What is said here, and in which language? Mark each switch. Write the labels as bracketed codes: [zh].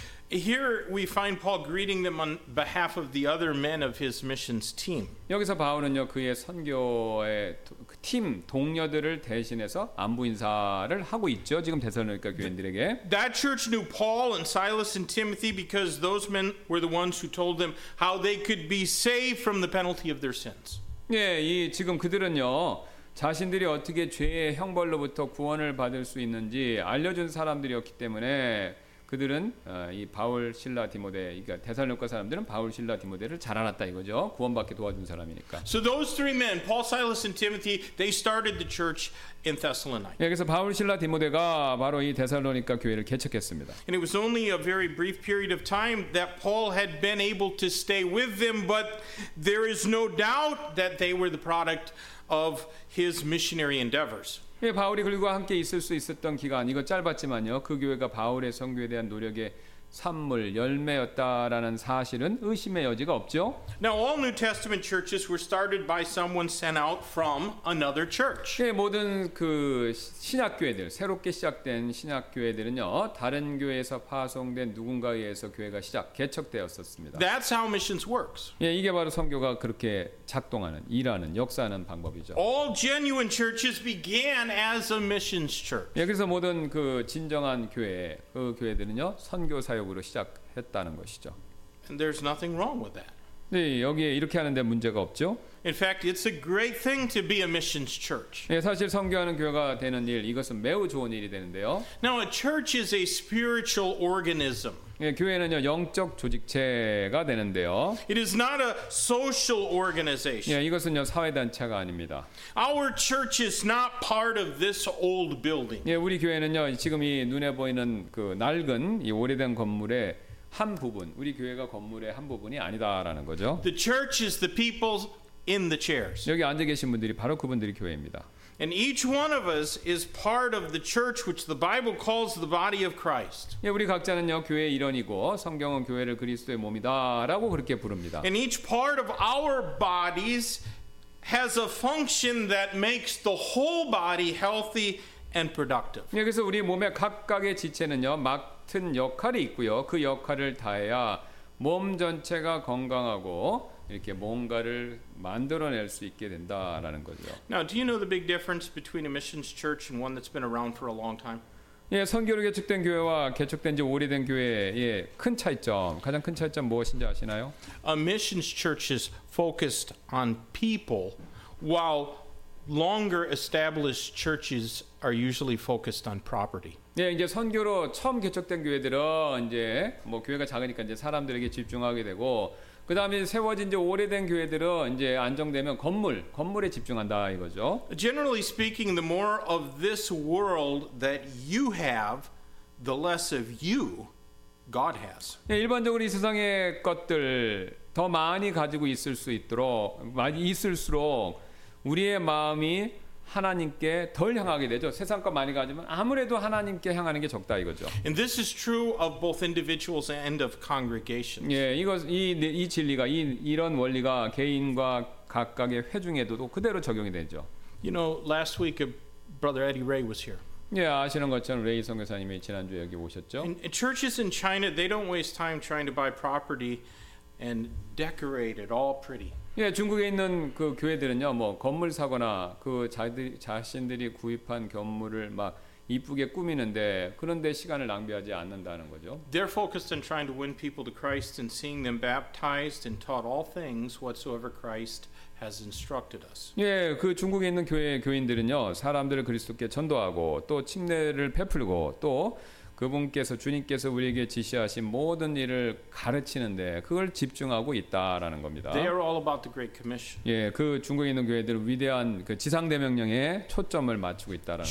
[en] Here we find Paul greeting them on behalf of the other men of his missions team. [ko] 여기서 바울은요 그의 선교의 팀 동료들을 대신해서 안부 인사를 하고 있죠. 지금 데살로니가 교인들에게. [en] That church knew Paul and Silas and Timothy because those men were the ones who told them how they could be saved from the penalty of their sins. [ko] 예, 이 지금 그들은요 자신들이 어떻게 죄의 형벌로부터 구원을 받을 수 있는지 알려준 사람들이었기 때문에. 그들은 이 바울 실라 디모데 그러니까 데살로니가 사람들은 바울 실라 디모데를 잘 알았다 이거죠. 구원받게 도와준 사람이니까. [en] So those three men, Paul, Silas and Timothy, they started the church in Thessalonica. [ko] 여기서 바울 실라 디모데가 바로 이 데살로니가 교회를 개척했습니다. [en] And it was only a very brief period of time that Paul had been able to stay with them, but there is no doubt that they were the product of his missionary endeavors. [ko] 예, 바울이 그리고 함께 있을 수 있었던 기간 이거 짧았지만요 그 교회가 바울의 선교에 대한 노력에 산물 열매였다라는 사실은 의심의 여지가 없죠. [en] Now all New Testament churches were started by someone sent out from another church. [ko] 네, 모든 그 신학교회들 새롭게 시작된 신학교회들은요 다른 교회에서 파송된 누군가에서 교회가 시작 개척되었었습니다. [en] That's how missions works. [ko] 예, 이게 바로 선교가 그렇게 작동하는 일하는 역사하는 방법이죠. [en] All genuine churches began as a missions church. [ko] 예, 그래서 모든 그 진정한 교회 그 교회들은요 선교 사역 으로 시작했다는 것이죠. [en] And there's nothing wrong with that. [ko] 네, 여기에 이렇게 하는데 문제가 없죠. [en] In fact, it's a great thing to be a missions church. [ko] 네, 사실 선교하는 교회가 되는 일 이것은 매우 좋은 일이 되는데요. [en] Now a church is a spiritual organism. [ko] 네, 교회는요 영적 조직체가 되는데요. [en] It is not a social organization. [ko] 네, 이것은요 사회 단체가 아닙니다. [en] Our church is not part of this old building. [ko] 네, 우리 교회는요 지금 이 눈에 보이는 그 낡은 이 오래된 건물의 한 부분, 우리 교회가 건물의 한 부분이 아니다라는 거죠. [en] The church is the people in the chairs. [ko] 여기 앉아 계신 분들이 바로 그분들이 교회입니다. [en] And each one of us is part of the church which the Bible calls the body of Christ. [ko] 예, 우리 각자는요, 교회의 일원이고 성경은 교회를 그리스도의 몸이다라고 그렇게 부릅니다. [en] And each part of our bodies has a function that makes the whole body healthy and productive. [ko] 예, 그래서 우리 몸의 각각의 지체는요, 맡은 역할이 있고요. 그 역할을 다해야 몸 전체가 건강하고 이렇게 뭔가를 만들어낼 수 있게 된다라는 거죠. [en] Now, do you know the big difference between a missions church and one that's been around for a long time? [ko] 예, 선교로 개척된 교회와 개척된 지 오래된 교회의 예, 큰 차이점, 가장 큰 차이점 무엇인지 아시나요? [en] A missions church is focused on people, while longer established churches are usually focused on property. [ko] 예, 이제 선교로 처음 개척된 교회들은 이제 뭐 교회가 작으니까 이제 사람들에게 집중하게 되고. 그 다음에 세워진 지 오래된 교회들은 이제 안정되면 건물에 집중한다 이거죠. [en] Generally speaking, the more of this world that you have, the less of you God has. [ko] 예, 일반적으로 이 세상의 것들 더 많이 가지고 있을 수 있도록 많이 있을수록 우리의 마음이 하나님께 덜 향하게 되죠. 세상 것 많이 가지면 아무래도 하나님께 향하는 게 적다 이거죠. [en] And this is true of both individuals and of congregations. [ko] 예, 이 진리가 이런 원리가 개인과 각각의 회중에도 그대로 적용이 되죠. [en] You know, last week Brother Eddie Ray was here. [ko] 예, 아시는 것처럼 레이 선교사님이 지난주에 여기 오셨죠. [en] In churches in China, they don't waste time trying to buy property and decorate it all pretty. [ko] 예, 중국에 있는 그 교회들은요, 뭐 건물 사거나 그 자신들이 구입한 건물을 막 이쁘게 꾸미는데 그런데 시간을 낭비하지 않는다는 거죠. [en] They're focused on trying to win people to Christ and seeing them baptized and taught all things whatsoever Christ has instructed us. [ko] 예, 그 중국에 있는 교회 교인들은요, 사람들을 그리스도께 전도하고 또 침례를 베풀고 또 그분께서 주님께서 우리에게 지시하신 모든 일을 가르치는데 그걸 집중하고 있다라는 겁니다. [en] They are all about the Great Commission. [ko] 예, 그 중국에 있는 교회들은 위대한 그 지상 대명령에 초점을 맞추고 있다라는 거죠.